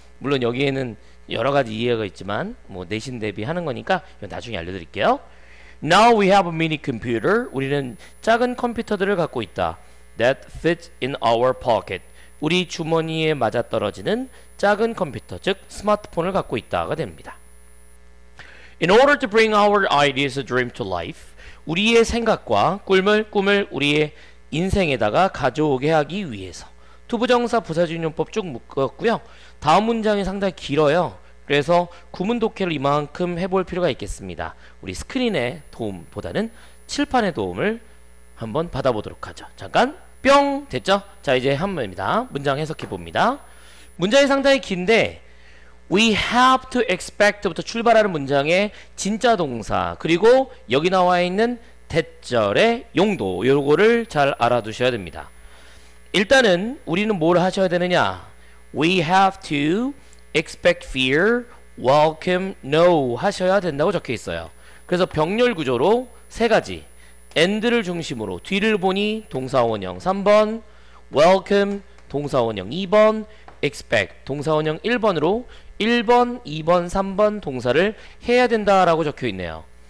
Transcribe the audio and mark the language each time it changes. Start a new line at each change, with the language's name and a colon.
Korean: 물론 여기에는 여러 가지 이해가 있지만 뭐 내신 대비하는 거니까 이건 나중에 알려드릴게요.
English: Now we have a mini computer.
Korean: 우리는 작은 컴퓨터들을 갖고 있다.
English: That fits in our pocket.
Korean: 우리 주머니에 맞아떨어지는 작은 컴퓨터, 즉 스마트폰을 갖고 있다가 됩니다.
English: In order to bring our ideas and dream to life.
Korean: 우리의 생각과 꿈을 우리의 인생에다가 가져오게 하기 위해서. 투부정사 부사주의용법 쭉 묶었고요. 다음 문장이 상당히 길어요. 그래서 구문독해를 이만큼 해볼 필요가 있겠습니다. 우리 스크린의 도움보다는 칠판의 도움을 한번 받아보도록 하죠. 잠깐 뿅 됐죠? 자, 이제 한 번입니다. 문장 해석해 봅니다. 문장이 상당히 긴데,
English: We have to expect
Korean: 부터 출발하는 문장의 진짜 동사, 그리고 여기 나와 있는 대절의 용도, 요거를 잘 알아두셔야 됩니다. 일단은 우리는 뭘 하셔야 되느냐?
English: We have to expect fear, welcome, no
Korean: 하셔야 된다고 적혀 있어요. 그래서 병렬 구조로 세 가지. and를 중심으로 뒤를 보니 동사 원형 3번, welcome 동사 원형 2번, expect 동사 원형 1번으로 1번, 2번, 3번 동사를 해야 된다라고 적혀 있네요.